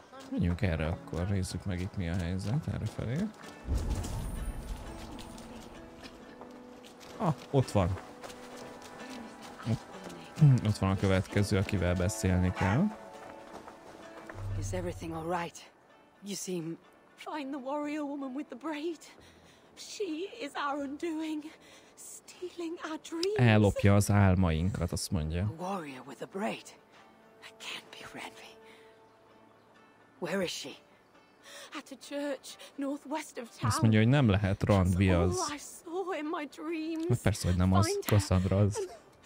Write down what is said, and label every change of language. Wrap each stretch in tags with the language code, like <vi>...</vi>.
<hu>Menjünk erre akkor, nézzük meg itt mi a helyzet, erre felé. Ah, ott van. Ott van a következő, akivel beszélni kell.</hu> <en>Is everything all right? You seem find the warrior woman with the braid. She is our undoing, stealing our dreams.</en> <hu>Ellopja az álmainkat, azt mondja.</hu> <en>A warrior with a braid. I can't be Renvi. Where is she? At a church northwest of town.</en> <hu>Azt mondja, hogy nem lehet Renvi az.</hu> <en>Oh, I saw in my dreams.</en> <hu>Hát persze, hogy nem az, Cassandra az.</hu>